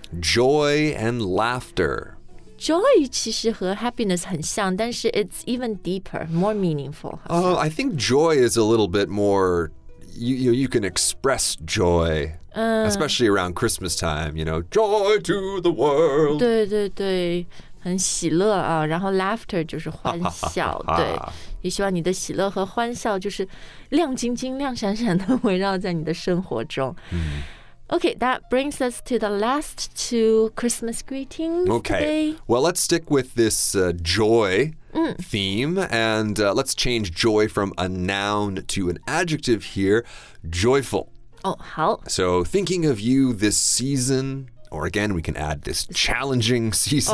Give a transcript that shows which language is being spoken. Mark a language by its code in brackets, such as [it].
[en] Joy and laughter. Joy 其实和 happiness 很像但是 it's even deeper, more meaningful. I think joy is a little bit more, you can express joy,、especially around Christmas time, you know, joy to the world. [zh] 对对对很喜乐啊然后 laughter 就是欢笑对也希望你的喜乐和欢笑就是亮晶晶亮闪闪的围绕在你的生活中、 mm. [en] Okay, that brings us to the last two Christmas greetings today. Okay, well, let's stick with this joy、 mm. theme, and、let's change joy from a noun to an adjective here, joyful. Oh, 好. So thinking of you this season, or again, we can add this challenging season.